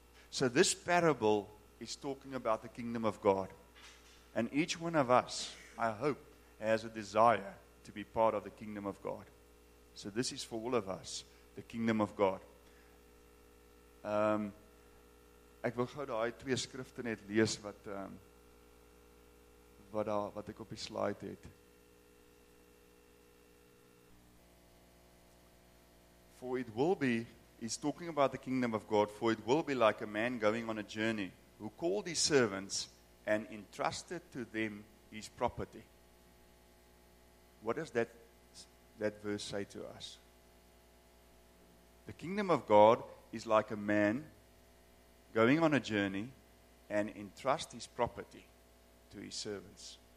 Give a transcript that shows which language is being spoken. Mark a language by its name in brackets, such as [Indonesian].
[English] So this parable is talking about the kingdom of God. And each one of us, I hope, has a desire to be part of the kingdom of God. So this is for all of us, the kingdom of God. [Afrikaans] Ek wil gou daai twee skrifte net lees wat ek op die slide het. [English] For it will be, he's talking about the kingdom of God, for it will be like a man going on a journey, who called his servants and entrusted to them his property. What does that verse say to us? The kingdom of God is like a man going on a journey and entrust his property to his servants.